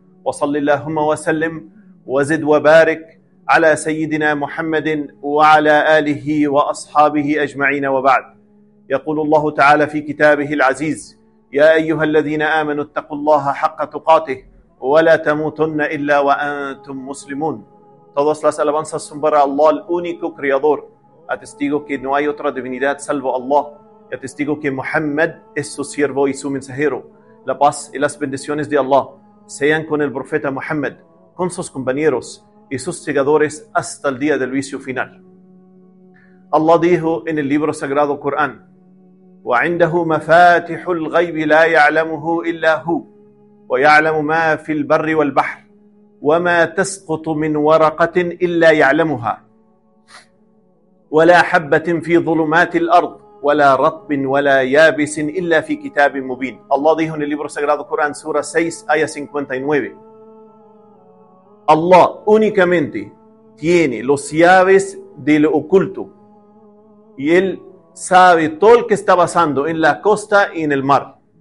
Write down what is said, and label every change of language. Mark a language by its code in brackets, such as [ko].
[ar] وصل اللهم وسلم وزد وبارك على سيدنا محمد وعلى آله وأصحابه أجمعين، وبعد. يقول الله تعالى في كتابه العزيز: يا أيها الذين آمنوا اتقوا الله حق تقاته ولا تموتن إلا وأنتم مسلمون. [es] Todos las alabanzas son para Allah, el único creador. Atestigo que no hay otra divinidad salvo Allah. Atestigo que Muhammad es su siervo y su mensajero. La paz y las bendiciones de Allah sean con el profeta Muhammad, con sus compañeros y sus seguidores hasta el día del juicio final. Allah dijo en el libro sagrado Corán: [ar] وعنده مفاتح الغيب لا يعلمه إلا هو ويعلم ما في البر والبحر وما تسقط من ورقة إلا يعلمها ولا حبة في ظلمات الأرض ولا رطب ولا يابس إلا في كتاب مبين. [es] Allah dijo en el libro sagrado Corán, sura 6, ayah 59: Allah únicamente tiene los llaves de lo oculto, y Él sabe todo lo que está pasando en la costa y en el mar.